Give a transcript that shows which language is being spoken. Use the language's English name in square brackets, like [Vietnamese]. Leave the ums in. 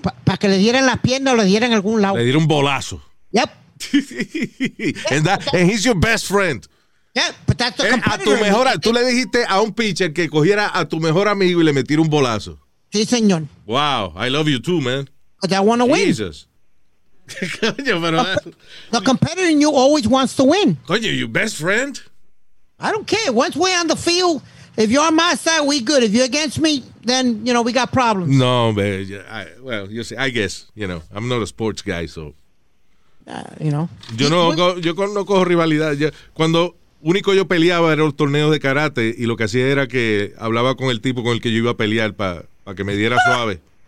[Spanish] Para pa que le dieran la pierna o le dieran algún lado. Le dieron un bolazo. [English] Yep. and, that, and, he's your best friend. [Spanish] Yep, tú le dijiste a un pitcher que cogiera a tu mejor amigo y le metiera un bolazo. Sí, señor. [English] Wow, I love you too, man. I want to win. [Spanish] Coño, pero. [English] The competitor in you always wants to win. Coño, your best friend? I don't care. Once we're on the field, if you're on my side, we good. If you're against me, then, you know, we got problems. No, man. well, you see, I guess, you know, I'm not a sports guy, so. Uh, you know. [Spanish] Yo no, yo, yo no cojo rivalidad. Yo, cuando único yo peleaba era los torneos de karate y lo que hacía era que hablaba con el tipo con el que yo iba a pelear para para que me diera suave.